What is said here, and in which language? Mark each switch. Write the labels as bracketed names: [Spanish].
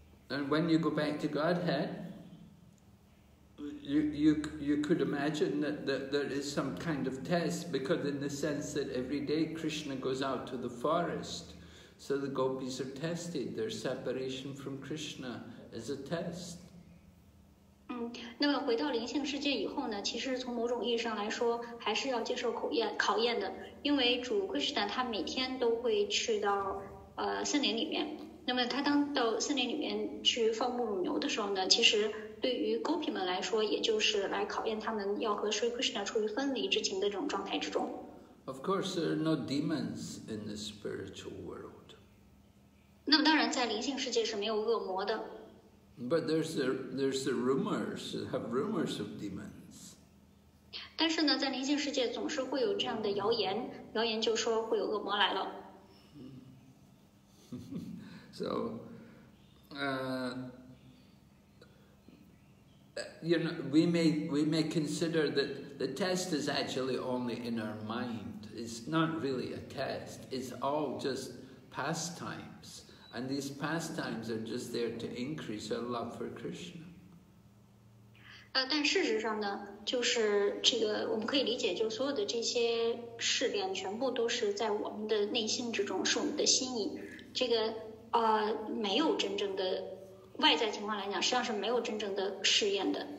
[English] And when you go back to Godhead, you could imagine that there is some kind of test, because in the sense that every day Krishna goes out to the forest, so the gopis are tested, their separation from Krishna is a test. [Chinese] 那么回到灵性世界以后呢，其实从某种意义上来说还是要接受考验的，因为主 Krishna 他每天都会去到森林里面，那么他当到森林里面去放牧乳牛的时候呢，其实对于 Gopi 们来说也就是来考验他们要和 Sri Krishna 处于分离之情的这种状态之中。 [English] Of course there are no demons in the spiritual world. [Chinese] 那么当然在灵性世界是没有恶魔的。 [English] But there's the rumors, have rumors of demons. [Chinese] 但是呢，在灵性世界总是会有这样的谣言，谣言就说会有恶魔来了。 [English] So, you know, we may consider that the test is actually only in our mind. It's not really a test. It's all just pastimes. And these pastimes are just there to increase our love for Krishna. [Chinese] 但事实上呢，就是这个我们可以理解，就所有的这些试炼全部都是在我们的内心之中，是我们的心意。这个没有真正的外在情况来讲，实际上是没有真正的试验的。